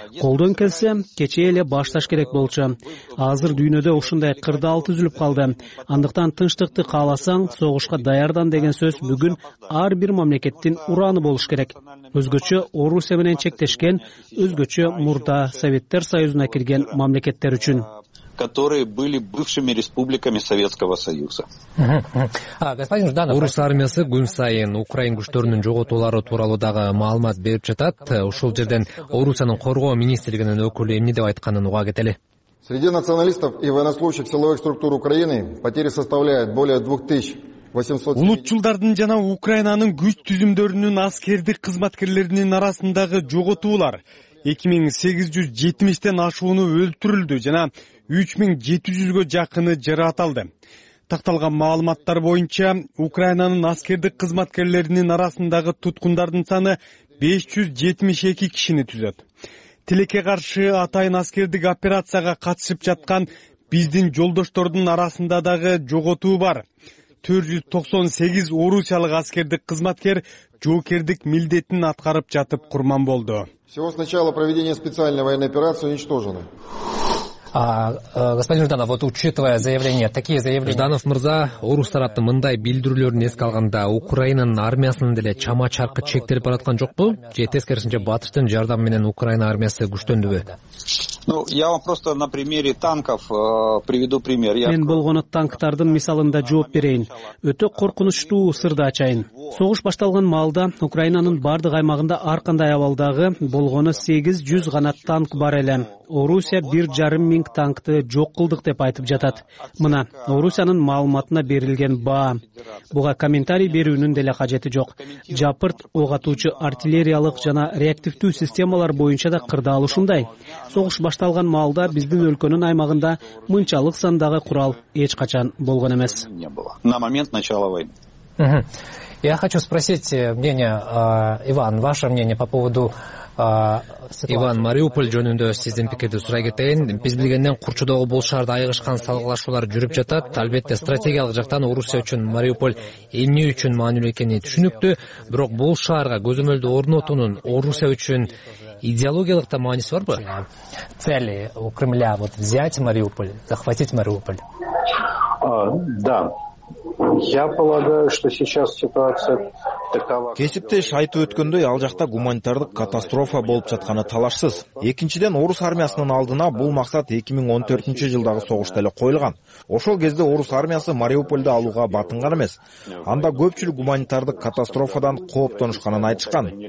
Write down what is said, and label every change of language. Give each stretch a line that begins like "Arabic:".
Kyrgyz: Колдон келсе кечээ эле башташ керек болчу. Азыр дүйнөдө ушундай кырдаал түзүлүп калды. Андыктан тынчтыкты кааласаң согушка даярдан деген сөз бүгүн ар бир мамлекеттин ураны болуш керек. Өзгөчө Орусия менен чектешкен, өзгөчө мурда Советтер Союзуна кирген мамлекеттер үчүн,
Russian: которые были бывшими республиками Советского Союза. Господин Жданов,
Kyrgyz: орус армиясы күн сайын украин күчтөрүнүн жоготуулары тууралуу дагы маалымат берип жатат. Ушул жерден Орусиянын коргоо министрлигинин өкүлү эмне деп айтканын уга кетели.
Russian: Среди националистов и военнослужащих силовых структур Украины потери составляют более 2800.
Kyrgyz: Улутчулдардын жана Украинанын күч түзүмдөрүнүн аскердик кызматкерлеринин арасындагы жоготуулар 2870 ашууну өлтүрүлдү жана 3700 жакыны жараат алды. Такталган маалыматтар боюнча Украинанын аскердик кызматкерлеринин арасындагы туткундардын саны 572 кишини түзөт. Тилекке каршы атайын аскердик операцияга катышып жаткан биздин жолдоштордун арасында дагы жоготуу бар. 498 орусиялык аскердик кызматкер жоокердик милдетин аткарып жатып курман болду.
Russian: Всего с начала проведения специальной военной операции уничтожены. Господин Жданов, вот учитывая заявления, такие заявления...
Kyrgyz: Жданов мырза, орус тарапты мындай билдирүүлөрүн эске алганда, Украинанын армиясынын деле чама чаркы чектелип бараткан жокпу? Же тескерисинче батыштын жардамы менен Украина армиясы күчтөндүбү?
Russian: Ну, я вам просто на примере танков приведу пример.
Kyrgyz: Мен болгону танктардын мисалында жооп берейин. Өтө коркунучтуу сырды ачайын. Согуш башталган маалда Украинанын бардык аймагында ар кандай абалдагы болгону 800 гана танк бар эле. Орусия 1,5 миң танкты жок кылдык деп айтып жатат. Мына Орусиянын маалыматына берилген баа. Буга комментарий берүүнүн деле кажети жок. Жапырт ок атуучу артиллериялык жана реактивдүү системалар боюнча да кырдаал ушундай. Согуш башталган маалда биздин өлкөнүн аймагында мынчалык сандагы курал эч качан болгон эмес.
Russian: На момент начала войны. Я хочу спросить мнение, Иван, ваше мнение по поводу
Kyrgyz: Иван, Мариуполь жөнүндө сиздин пикирди сурай кетейин. Биз билгенден курчудогу бул шаарда айгышкан салгылашуулар жүрүп жатат. Албетте, стратегиялык жактан Орусия үчүн Мариуполь эмне үчүн маанилүү экени түшүнүктүү, бирок бул шаарга көзөмөлдү орнотуунун Орусия үчүн идеологиялык да мааниси барбы?
Russian: Цели у Кремля вот взять Мариуполь, захватить Мариуполь. Да. Я полагаю, что сейчас ситуация такова.
Kyrgyz: Кесиптеш айтып өткөндөй, ал жакта гуманитардык катастрофа болуп жатканы талашсыз. Экинчиден, орус армиясынын алдына бул максат 2014 жылдагы согушта эле коюлган. Ошол кезде орус армиясы Мариуполду алууга батынган эмес. Анда көпчүлүк гуманитардык катастрофадан кооптонушканын айтышкан.